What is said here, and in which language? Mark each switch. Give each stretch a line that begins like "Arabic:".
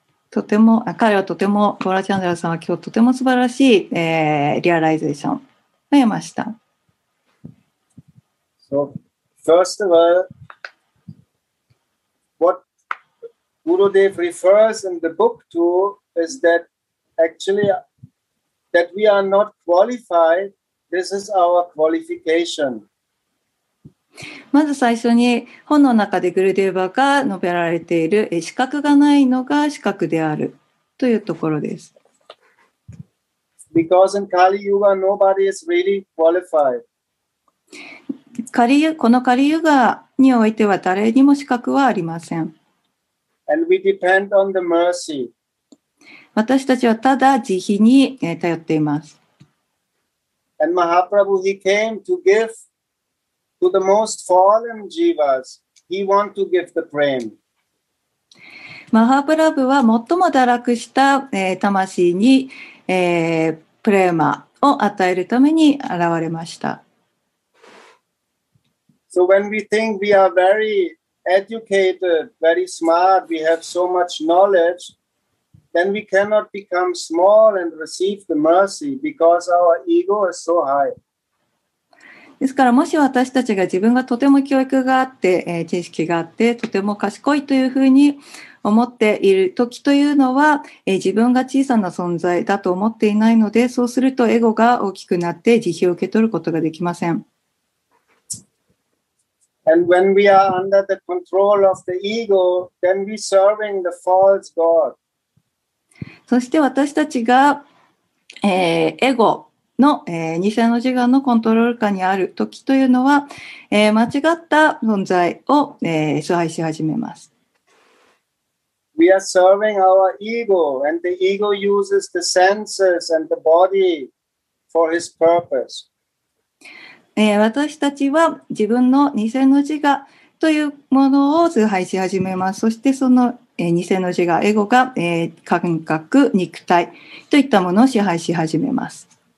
Japanese: とても彼はとてもボラチャンダラさんは今日とても素晴らしい、リアライゼーションを得ました。
English: So, first of all, what Gurudev refers in the book to is that actually that we are not qualified. This is our qualification.
Japanese: まず最初に本の中でグルデーバーが述べられている資格がないのが資格であるというところです。
English: Because in Kali Yuga, nobody is really qualified.
Japanese: このカリユガにおいては誰にも資格はありません。
English: And we depend on the mercy.
Japanese: 私たちはただ慈悲に頼っています。
English: And Mahaprabhu, he came to give to the most fallen jivas. He want to give the prem.
Japanese: Mahaprabhu は最も堕落した魂にプレマを与えるために現れました。
English: So when we think we are very educated, very smart, we have so much knowledge. Then we cannot become small and receive the mercy because our ego is so high.
Japanese: ですからもし私たちが自分がとても教育があって、知識があってとても賢いというふうに思っている時というのは、自分が小さな存在だと思っていないのでそうするとエゴが大きくなって慈悲を受け取ることができません。
English: And when we are under the control of the ego, then we are serving the false god.
Japanese: そして私たちが、エゴの、偽の自我のコントロール下にある時というのは、間違った存在を、崇拝し始めます。
English: We are serving our ego, and the ego uses the senses and the body for his purpose.
Japanese: 私たちは自分の偽の自我というものを崇拝し始めます。そしてその偽の自我、エゴが、感覚、肉体といったものを支配し始めます。